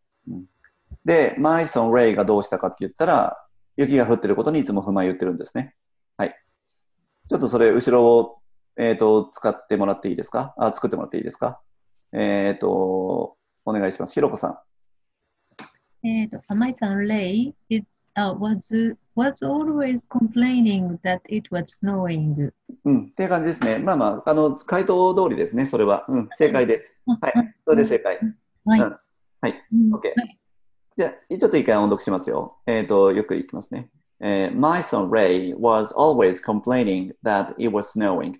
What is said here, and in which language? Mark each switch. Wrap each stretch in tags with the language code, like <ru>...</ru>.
<ja>うん、で、</ja> <en>my son Ray</en> <ja>がどうしたかって言ったら、雪が降ってることにいつも不満言ってるんですね。はい。ちょっとそれ、後ろを、使ってもらっていいですか？あ、作ってもらっていいですか？お願いします。ひろこさん。</ja> <en>My son Ray was always complaining that it was snowing.</en> <ja>うん、っていう感じですね。まあまあ、あの、回答通りですね、それは。うん、正解です。はい。それで正解。はい。うん、はい。OK。じゃあ、ちょっと一回音読しますよ。ゆっくりいきますね。</ja> <en>My son Ray was always complaining that it was snowing.</en>